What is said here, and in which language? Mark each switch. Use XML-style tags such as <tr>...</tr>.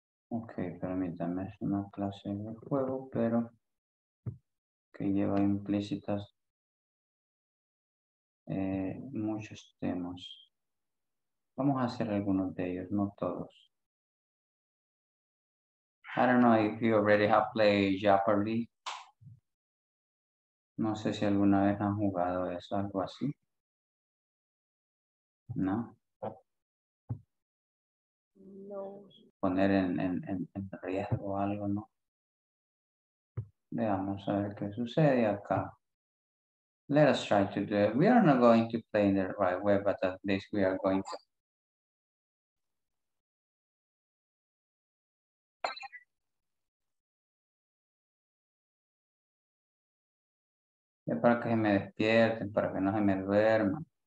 <es>Okay, permítame, es una clase de juego, pero que lleva implícitas muchos temas. Vamos a hacer algunos de ellos, no todos.</es> <en>I don't know if you already have played Jeopardy.</en> <es>No sé si alguna vez han jugado eso, algo así. No. No. poner en riesgo algo, ¿no? Veamos a ver qué sucede acá.</es> <en>Let us try to do it. We are not going to play in the right way, but at least we are going to.</en> <es>Para que se me despierten, para que no se me duerman.</es>